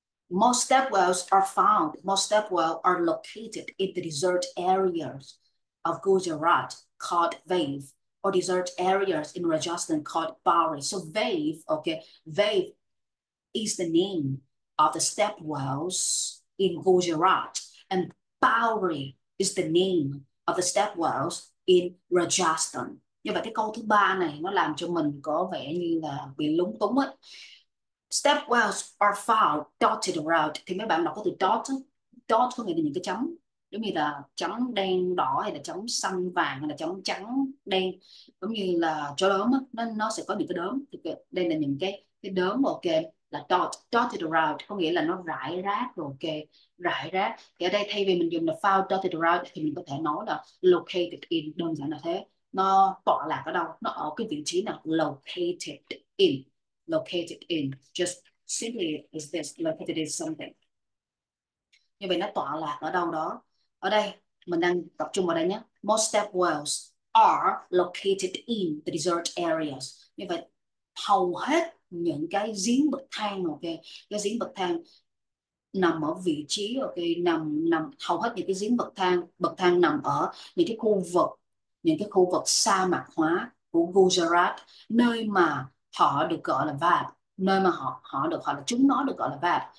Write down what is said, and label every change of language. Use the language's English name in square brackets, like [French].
[English] Most stepwell are located in the desert areas of Gujarat called Ved, or desert areas in Rajasthan called Bari. So Ved, okay, Ved is the name of the stepwells in Gujarat, and Bauri is the name of the stepwells in Rajasthan. [Vietnamese] Như vậy cái câu thứ ba này nó làm cho mình có vẻ như là bị lúng túng ấy. [English] Stepwells are found dotted around. [Vietnamese] Thì mấy bạn đọc có từ dot, dot có nghĩa là những cái chấm. giống như là trắng đen đỏ hay là trắng xanh vàng hay là trắng trắng đen, giống như là cho đốm á, nó sẽ có những cái đốm, thì đây là những cái đốm, ok, là dot dotted around, có nghĩa là nó rải rác rồi, ok, rải rác. Thì ở đây thay vì mình dùng là found dotted around thì mình có thể nói là located in, đơn giản là thế, nó tọa lạc ở đâu, nó ở cái vị trí nào, located in, located in, [English] just simply is this located in something. [Vietnamese] Như vậy nó tọa lạc ở đâu đó. Ở đây mình đang tập trung vào đây nhé. [English] Most stepwells are located in the dessert areas. [Vietnamese] Như vậy hầu hết những cái giếng bậc thang, ok, cái giếng bậc thang nằm ở vị trí, ok, nằm nằm hầu hết những cái giếng bậc thang nằm ở những cái khu vực sa mạc hóa của Gujarat, nơi mà họ được gọi là Vat, nơi mà họ họ được họ là chúng nó được gọi là Vat.